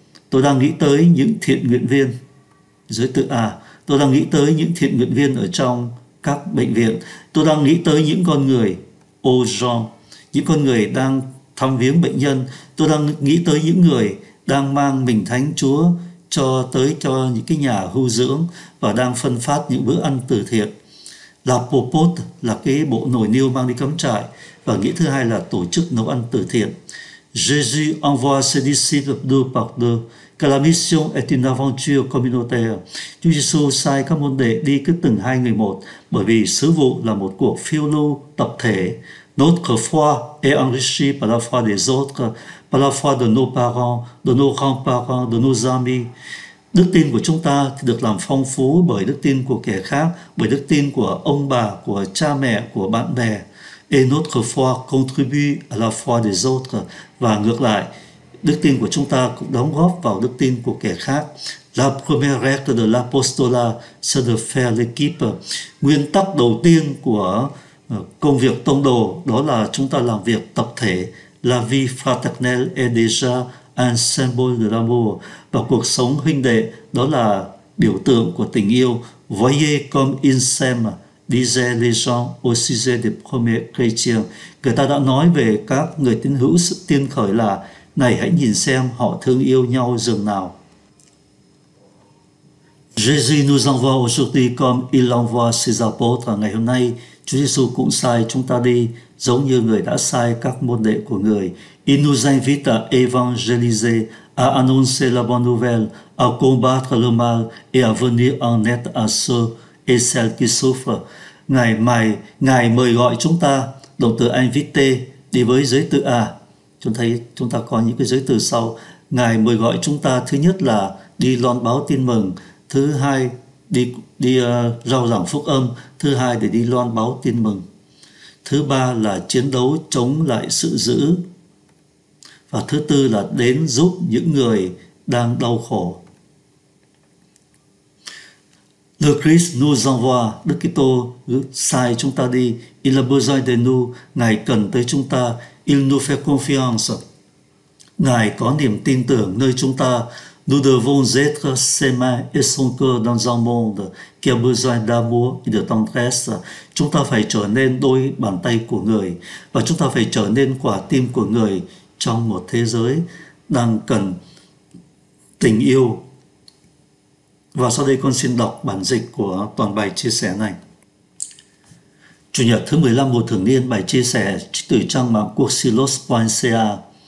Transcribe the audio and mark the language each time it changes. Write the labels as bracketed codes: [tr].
[vi] Tôi đang nghĩ tới những thiện nguyện viên, giới tự A, tôi đang nghĩ tới những thiện nguyện viên ở trong các bệnh viện, tôi đang nghĩ tới những con người, aux gens, những con người đang thăm viếng bệnh nhân, tôi đang nghĩ tới những người đang mang mình Thánh Chúa cho tới cho những cái nhà hưu dưỡng và đang phân phát những bữa ăn từ thiện. La popote là cái bộ nồi niêu mang đi cắm trại, và nghĩa thứ hai là tổ chức nấu ăn từ thiện. [fr] Jésus envoie ses disciples deux par deux, car la mission est une aventure communautaire. [vi] Chúa Giêsu sai các môn đệ đi cứ từng hai người một, bởi vì sứ vụ là một cuộc phiêu lưu tập thể. [fr] Notre foi est enrichie par la foi des autres, par la foi de nos parents, de nos grands-parents, de nos amis. [vi] Đức tin của chúng ta thì được làm phong phú bởi đức tin của kẻ khác, bởi đức tin của ông bà, của cha mẹ, của bạn bè. [fr] Et notre foi contribue à la foi des autres. [vi] Và ngược lại, đức tin của chúng ta cũng đóng góp vào đức tin của kẻ khác. [fr] La première règle de l'apostolat, c'est de faire l'équipe. [vi] Nguyên tắc đầu tiên của công việc tông đồ đó là chúng ta làm việc tập thể. [fr] La vie fraternelle est déjà un symbole de l'amour. [vi] Và cuộc sống huynh đệ đó là biểu tượng của tình yêu. [fr] Voyez comme ils disaient les gens au sujet des premiers chrétiens. [vi] Người ta đã nói về các người tín hữu sự tiên khởi là này, hãy nhìn xem họ thương yêu nhau dường nào. [fr] Jésus nous envoie aujourd'hui comme il envoie ses apôtres. [vi] Ngày hôm nay, Chúa Giêsu cũng sai chúng ta đi giống như người đã sai các môn đệ của người. [fr] Il nous invite à évangéliser, à annoncer la bonne nouvelle, à combattre le mal et à venir en aide à ceux et celles qui souffrent. [vi] Ngài mời gọi chúng ta, động từ invite đi với giới từ A. Chúng thấy chúng ta có những cái giới từ sau. Ngài mời gọi chúng ta, thứ nhất là đi loan báo tin mừng, thứ hai đi rao giảng phúc âm, thứ hai để đi loan báo tin mừng, thứ ba là chiến đấu chống lại sự dữ, và thứ tư là đến giúp những người đang đau khổ. [fr] Le Christ nous envoie, [vi] Đức Kitô sai chúng ta đi. [fr] Il a besoin de nous, [vi] Ngài cần tới chúng ta. [fr] Il nous fait confiance, [vi] Ngài có niềm tin tưởng nơi chúng ta. [fr] Nous devons être ses mains et son cœur dans un monde qui a besoin d'amour et de tendresse. [vi] Chúng ta phải trở nên đôi bàn tay của người, và chúng ta phải trở nên quả tim của người trong một thế giới đang cần tình yêu. Và sau đây con xin đọc bản dịch của toàn bài chia sẻ này. Chủ nhật thứ 15 mùa thường niên, bài chia sẻ từ trang mạng Cursillos.ca.